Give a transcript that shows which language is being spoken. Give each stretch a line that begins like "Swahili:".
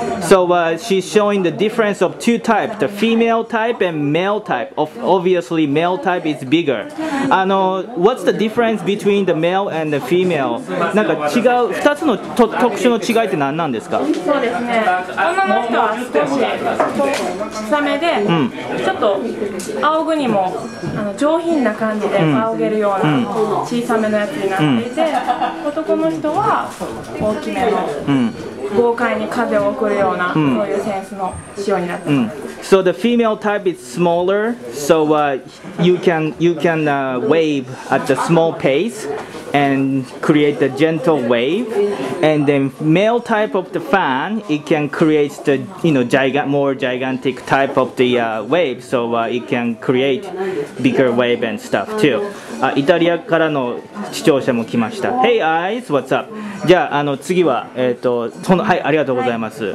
English: So she's showing the difference of two types, the female type and male type. Obviously, male type is bigger. What's the difference between the male and the female?
Japanese: なんか違う、2つの特殊の違いって何なんですか？そうですね。女の人は少し小めで、うん、ちょっと仰ぐにも上品な感じで仰げるような小さめのやつになっていて、うん、男の人は大きめの。うん、豪快に風を送るような、うん、そういうセンスの仕様になっています。
English: So the female type is smaller, so you can wave at the small pace and create the gentle wave. And then male type of the fan, it can create the, you know, more gigantic type of the wave, so it can create bigger wave and stuff too.
Japanese: イタリアからの視聴者も来ました。
English: Hey guys, what's up?
Japanese: じゃあ、 次は、はい、ありがとうございます。